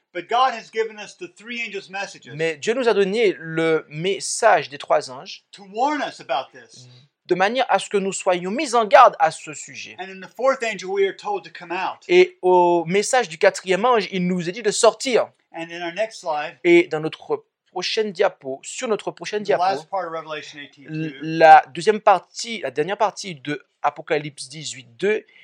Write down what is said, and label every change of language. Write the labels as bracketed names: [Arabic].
[English] But God has given us the three angels' messages. [French] Mais Dieu nous a donné le message des trois anges. [English] To warn us about this. [French] De manière à ce que nous soyons mis en garde à ce sujet. [English] And in the fourth angel, we are told to come out. [French] Et au message du quatrième ange, il nous est dit de sortir. [English] And in our next slide. [French] Et dans notre prochaine diapo, sur notre prochaine diapo. [English] The last part of Revelation 18:2. [French] La deuxième partie, la dernière partie de Apocalypse 18:2.